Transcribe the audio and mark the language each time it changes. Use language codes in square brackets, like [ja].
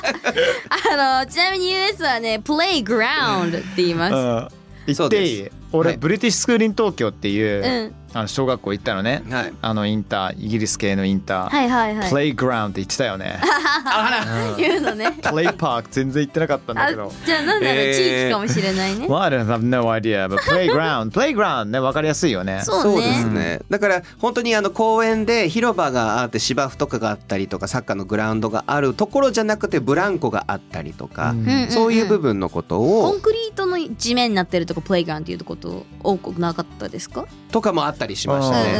[ja] ちなみに US はね、playground って言います。言っていい？俺、はい、ブリティッシュスクールイン東京っていう、うん、あの小学校行ったのね、はい、あのインター、イギリス系のインター、はいはいはい、プレイグラウンドって言ってたよね。あら、うん、言うのね。プレイパーク全然言ってなかったんだけど。じゃあ何だろう、地域かもしれないね。 [en] Well, I don't have no idea, but playground, playground [ja] ね、分かりやすいよね。そうね。そうですね。だから本当にあの公園で広場があって芝生とかがあったりとかサッカーのグラウンドがあるところじゃなくてブランコがあったりとか、うん、そういう部分のことを、うんうんうん、コンクリートの地面になってるとこプレイグラウンドっていうとこ多くなかったですか？とかもあったりしましたね。